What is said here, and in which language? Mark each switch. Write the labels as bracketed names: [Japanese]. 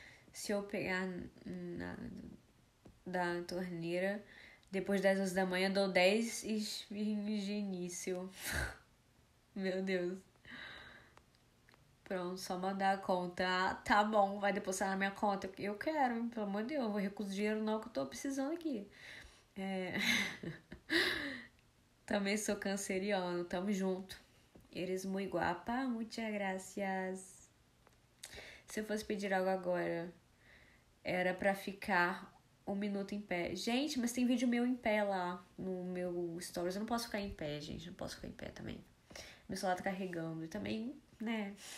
[Portuguese] Se eu pegar da torneira, depois das 11 da manhã, dou 10 espinhos de início. Meu Deus. Pronto, só mandar a conta. Ah, tá bom, vai depositar na minha conta. Eu quero, pelo amor de Deus, eu vou recusar o dinheiro não que eu tô precisando aqui. Também sou canceriano, tamo junto. [Spanish] Eres muy guapa, muchas gracias. [Portuguese] Se eu fosse pedir algo agora, era pra ficar um minuto em pé. Gente, mas tem vídeo meu em pé lá no meu stories. Eu não posso ficar em pé, gente. Não posso ficar em pé também. Meu celular tá carregando. E também, né?